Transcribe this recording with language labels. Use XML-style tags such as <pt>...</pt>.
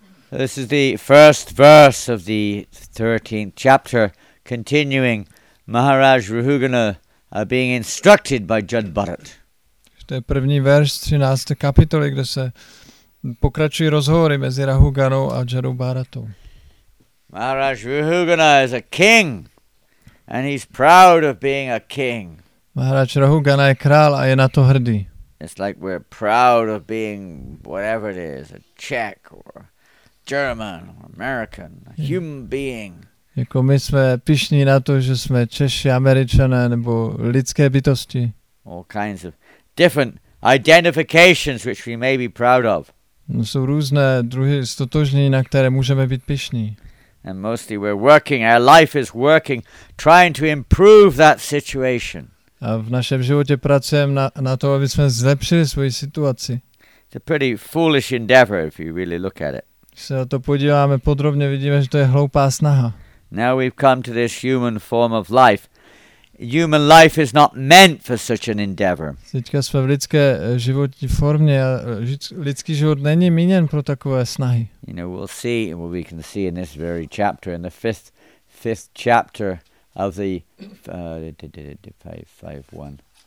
<en>This is the first verse of the 13th chapter, continuing Maharaj Ruhugana being instructed by Jad Bharat.</en> <cs>To je první verš 13. kapitoly, kde se pokračují rozhovory mezi Rahuganou a Jadou Bharatou.</cs> <en>Maharaj Ruhugana is a king. And he's proud of being a king.</en> <cs>Maharaj Rahugana je král a je na to hrdý.</cs> <en>It's like we're proud of being whatever it is, a Czech or German or American, a human being.</en> <cs>Jako my jsme pyšní na to, že jsme Češi, Američané nebo lidské bytosti.</cs> <en>All kinds of different identifications which we may be proud of.</en> <cs>Jsou různé druhy ztotožnění, na které můžeme být pyšní.</cs> <en>And mostly we're working, our life is working, trying to improve that situation.</en> <cs>A v našem životě pracujeme na to, aby jsme zlepšili svoji situaci.</cs> <en>It's a pretty foolish endeavor if you really look at it.</en> <cs>Když se na to podíváme podrobně, vidíme, že to je hloupá snaha.</cs> <en>Now we've come to this human form of life. Human life is not meant for such an endeavor.</en> <cs>Teďka jsme v lidské životní formě a lidský život není míněn pro takové snahy.</cs> <en>You know, we'll see what we can see in this very chapter, in the fifth chapter of the 551.</en>